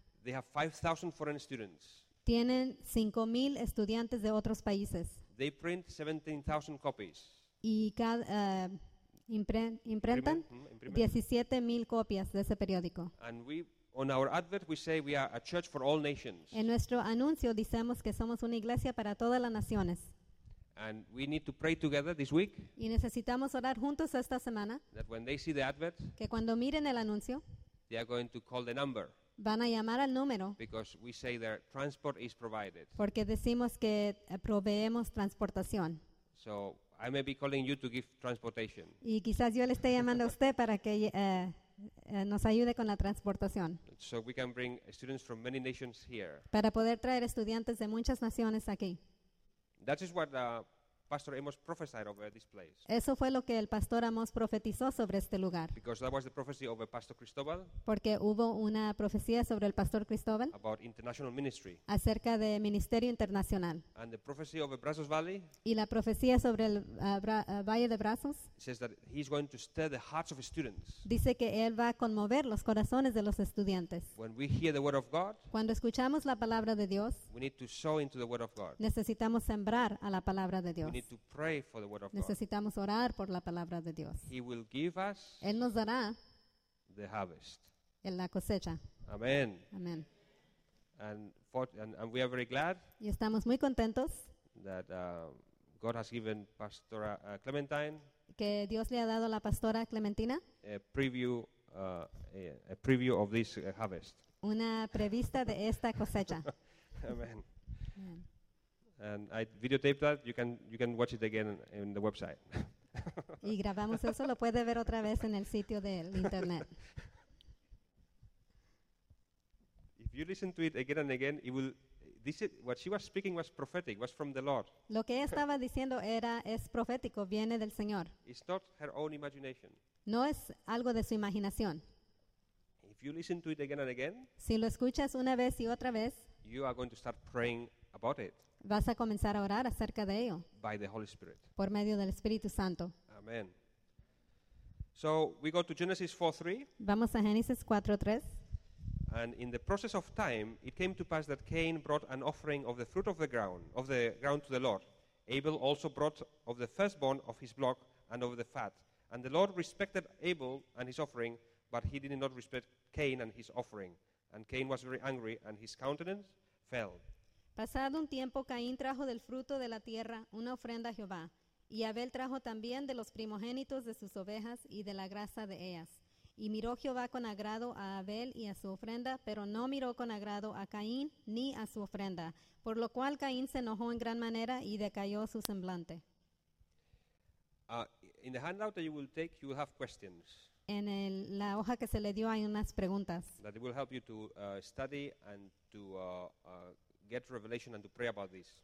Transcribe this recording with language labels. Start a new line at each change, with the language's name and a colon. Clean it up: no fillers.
English: They have 5,000 foreign students.
Spanish: Tienen 5,000 estudiantes de otros países.
English: They print 17,000 copies.
Spanish: Y cada imprentan 17,000 copias de ese periódico.
English: And we, on our advert, we say we are a church for all nations.
Spanish: En nuestro anuncio decimos que somos una iglesia para todas las naciones.
English: And we need to pray together this week.
Spanish: Y necesitamos orar juntos esta semana.
English: That when they see the advert,
Spanish: que cuando miren el anuncio,
English: they are going to call the number.
Spanish: Van a llamar al número.
English: Because we say their transport is provided.
Spanish: Porque decimos que proveemos transportación.
English: So I may be calling you to give transportation.
Spanish: Y quizás yo le esté llamando a usted para que nos ayude con la transportación.
English: So we can bring students from many nations here.
Spanish: Para poder traer estudiantes de muchas naciones aquí.
English: That is what Pastor Amos prophesied over this place.
Spanish: Eso fue lo que el Pastor Amos profetizó sobre este lugar.
English: Because that was the prophecy over Pastor Cristobal.
Spanish: Porque hubo una profecía sobre el Pastor Cristobal.
English: About international ministry.
Spanish: Acerca de ministerio internacional.
English: And the prophecy over Brazos Valley.
Spanish: Y la profecía sobre el Valle de Brazos.
English: Says that he's going to stir the hearts of students.
Spanish: Dice que él va a conmover los corazones de los estudiantes.
English: When we hear the word of God.
Spanish: Cuando escuchamos la palabra de Dios.
English: We need to sow into the word of God.
Spanish: Necesitamos sembrar a la palabra de Dios.
English: We need to pray for the word of God.
Spanish: Necesitamos orar por la palabra de Dios.
English: He will give us.
Spanish: Él nos dará.
English: The harvest.
Spanish: En la cosecha.
English: Amen.
Spanish: Amen.
English: And we are very glad.
Spanish: Y estamos muy contentos.
English: That God has given Pastora Clementine.
Spanish: Que Dios le ha dado a la Pastora Clementina.
English: A preview of this harvest.
Spanish: Una prevista de esta cosecha.
English: Amen. Amen. And I videotaped that. You can watch it again in the website.
Spanish: Y grabamos eso. Lo puede ver otra vez en el sitio del internet.
English: If you listen to it again and again, it will. This is what she was speaking was prophetic. Was from the Lord.
Spanish: Lo que ella estaba diciendo era es profético. Viene del Señor.
English: It's not her own imagination.
Spanish: No es algo de su imaginación.
English: If you listen to it again and again,
Spanish: si lo escuchas una vez y otra vez,
English: you are going to start praying about it.
Spanish: Vas a comenzar a orar acerca de ello.
English: By the Holy Spirit.
Spanish: Por medio del Espíritu Santo.
English: Amen. So we go to Genesis 4:3.
Spanish: Vamos a Génesis 4:3.
English: And in the process of time, it came to pass that Cain brought an offering of the fruit of the ground to the Lord. Abel also brought of the firstborn of his flock and of the fat. And the Lord respected Abel and his offering, but he did not respect Cain and his offering. And Cain was very angry, and his countenance fell.
Spanish: Pasado un tiempo, Caín trajo del fruto de la tierra una ofrenda a Jehová, y Abel trajo también de los primogénitos de sus ovejas y de la grasa de ellas. Y miró Jehová con agrado a Abel y a su ofrenda, pero no miró con agrado a Caín ni a su ofrenda, por lo cual Caín se enojó en gran manera y decayó su semblante.
English: In the handout that you will take, you will have questions.
Spanish: En la hoja que se le dio hay unas preguntas.
English: That will help you to study and to get revelation and to pray about this.